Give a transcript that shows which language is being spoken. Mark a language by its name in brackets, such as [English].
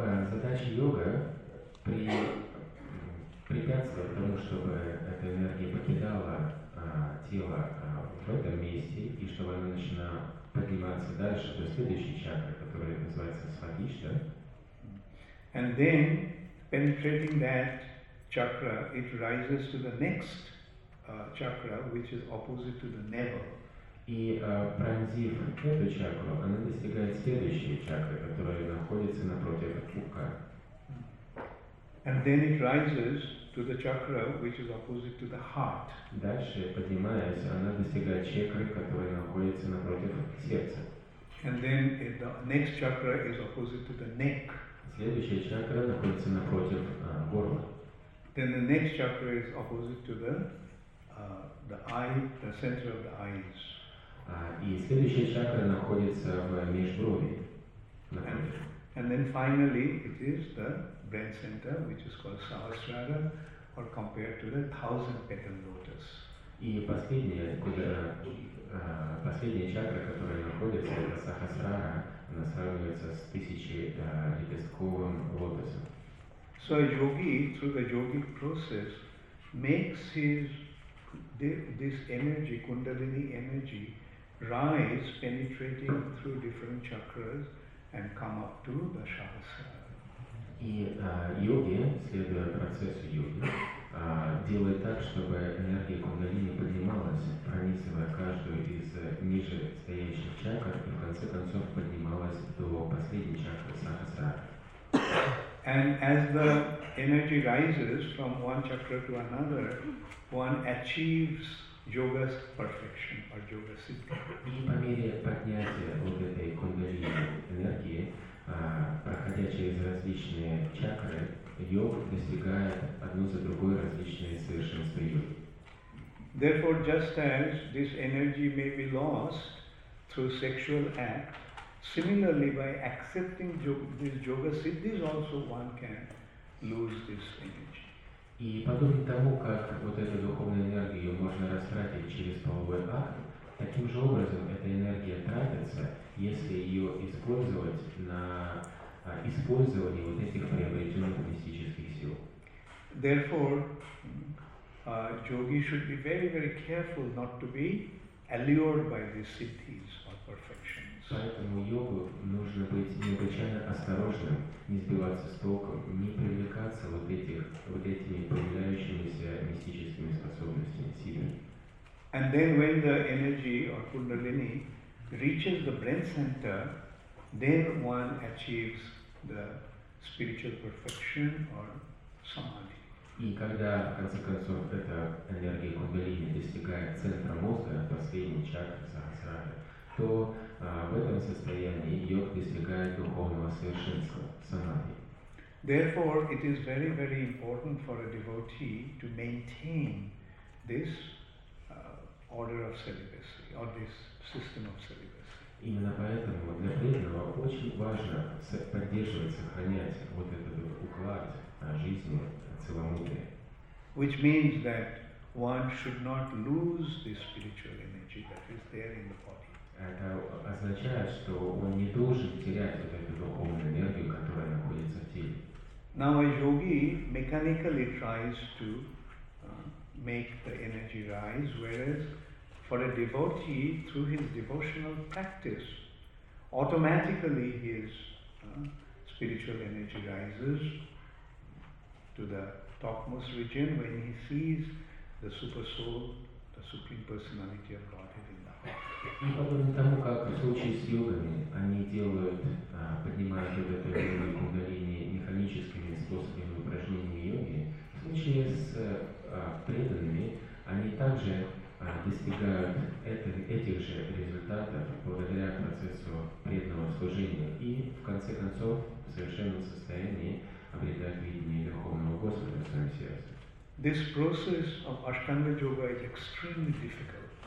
[Russian] Задача йога препятствует тому, чтобы эта энергия покидала тело в этом месте и чтобы она начала подниматься дальше до следующей чакры, которая называется Свадишта. [English] And then, penetrating that chakra, it rises to the next chakra, which is opposite to the navel. [Russian] И пронзив эту чакру, она достигает следующей чакры, которая находится напротив уха. [English] And then it rises to the chakra, which is opposite to the heart. [Russian] Дальше, поднимаясь, она достигает чакры, которая находится напротив сердца. [English] And then the next chakra is opposite to the neck. [Russian] Следующая чакра находится напротив горла. [English] Then the next chakra is opposite to the eye, the center of the eyes. [Russian] И следующая чакра находится в межброви. [English] And then finally it is the bread center, which is called Sahasrara, or compared to the thousand petal lotus. [Russian] И последняя чакра, которая находится, это Сахасрара, она сравнивается с тысячелепестковым лотосом. [English] So a yogi, through the yogic process, makes his this energy, kundalini energy, rise, penetrating through different chakras and come up to the Sahasrara. [Russian] И йоги, следуя процессу йоги, делает так, чтобы энергия кундалини поднималась, пронизывая каждую из ниже стоящих чакр, и в конце концов поднималась до последней чакры Сахасрара. [English] And as the energy rises from one chakra to another, one achieves yoga's perfection or yoga siddha. [Russian] И по мере поднятия вот этой кундалини энергии, проходя через различные чакры, йог достигает одну за другой различные совершенства йоги. [English] Therefore, just as this energy may be lost through sexual act, similarly, by accepting this yoga siddhis, also one can lose this energy. [Russian] И подобно тому, как вот эту духовную энергию можно растратить через половой акт, таким же образом эта энергия тратится, если ее использовать на использование вот этих приобретенных мистических сил. [English] Therefore, yogi should be very, very careful not to be allured by these siddhis or perfections. [Russian] Поэтому йогу нужно быть необычайно осторожным, не сбиваться с толком, не привлекаться вот этими появляющимися мистическими способностями, силами. [English] And then when the energy or kundalini reaches the brain center, then one achieves the spiritual perfection or samadhi. [Russian] И когда, в конце концов, эта энергия кундалини достигает центра мозга, последней чакры сахасрары, то в этом состоянии йог достигает духовного совершенства, самадхи. [English] Therefore, it is very, very important for a devotee to maintain this order of celibacy, or this system of celibacy. [Russian] Именно поэтому для преданного очень важно поддерживать, сохранять вот этот уклад жизни, целомудрия. [English] Which means that one should not lose this spiritual energy that is there in the body. [Russian] Это означает, что он не должен терять вот эту духовную энергию, которая находится в теле. [English] Now a yogi mechanically tries to make the energy rise, whereas for a devotee, through his devotional practice, automatically his spiritual energy rises to the topmost region when he sees the Super Soul, the Supreme Personality of Godhead in the heart. [Russian] И подобно тому, как в случае с йогами, они делают, поднимают вот эту энергию кундалини механическими способами, упражнениями йоги, в случае с преданными, они также достигают этих же результатов благодаря процессу преданного служения и, в конце концов, в совершенном состоянии обретают видение Верховного Господа в своем сердце. [English] This process of Ashtanga Yoga is extremely difficult.